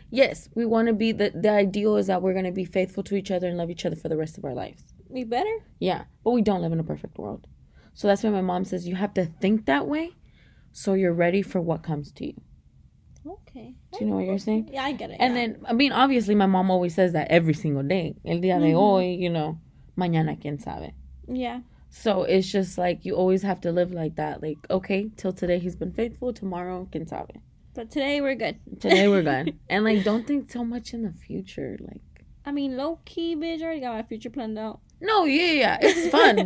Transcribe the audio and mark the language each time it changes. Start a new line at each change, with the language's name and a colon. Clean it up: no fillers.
English: Yes, we want to be, the ideal is that we're going to be faithful to each other and love each other for the rest of our lives. We better. Yeah, but we don't live in a perfect world. So that's why my mom says you have to think that way so you're ready for what comes to you. Okay. Do you know what you're saying? Yeah, I get it. And then, I mean, obviously, my mom always says that every single day.
Spanish: El día de hoy,
English: you know,
Spanish: mañana quién sabe.
English: Yeah. So it's just like you always have to live like that. Like, okay, till today he's been faithful. Tomorrow,
Spanish: quién sabe.
English: But today we're good. Today we're good. And, like, don't think so much in the future. Like, I mean, low-key, bitch, I already got my future planned out. No, yeah. It's fun.